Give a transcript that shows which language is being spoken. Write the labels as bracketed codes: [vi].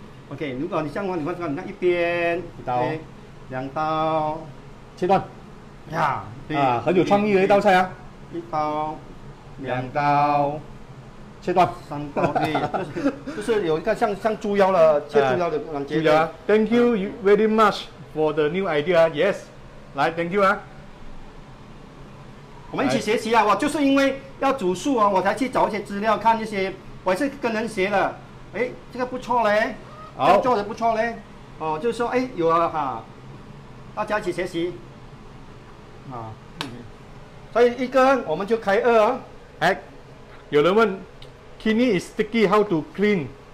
[zh] OK， 如果你像我，你看你看一边，一刀， okay, 两刀，切断。呀、啊，很有创意的一道菜啊！一刀，两刀，切断，三刀，对，就是有一个像猪腰了，切猪腰的感觉。猪腰、啊、， [en] Thank you very much for the new idea. Yes， 来 ，Thank you 啊！ [zh] 我们一起学习啊！我就是因为要煮素啊，我才去找一些资料看一些，我是跟人学的。哎，这个不错嘞，好，做的不错嘞。哦，就是说，哎，有啊哈，大家一起学习。啊，所以一个我们就开二啊。哎，有人问 [en] ，kidney is sticky, how to clean？